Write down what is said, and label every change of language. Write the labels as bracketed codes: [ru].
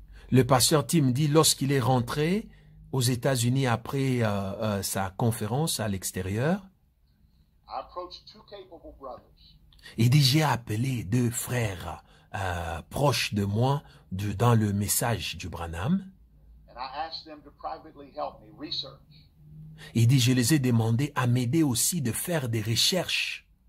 [fr] le pasteur Tim dit, lorsqu'il est rentré aux États-Unis après sa conférence à l'extérieur, [en] I approached two capable brothers. [fr] Il dit, j'ai appelé deux frères proches de moi dans le message du Branham. [en] And I asked them to privately help me research. [fr] Il dit, je les ai demandés à m'aider aussi de faire des recherches